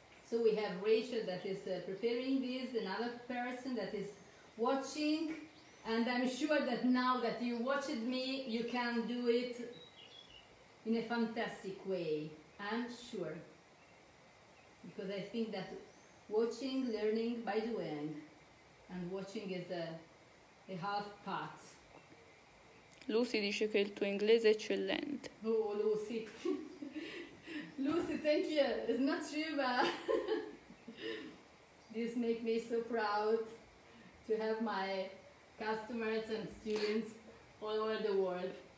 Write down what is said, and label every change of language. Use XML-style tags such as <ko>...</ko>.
<en>So we have Rachel that is preparing this, another person that is watching, and I'm sure that now that you watched me, you can do it in a fantastic way. I'm sure, because I think that watching, learning by doing, and watching is a half part.</en> <it>Lucy dice che il tuo inglese è eccellente.</it> <en>Oh, Lucy. Lucy, thank you. It's not true, but this makes me so proud to have my customers and students all over the world.</en>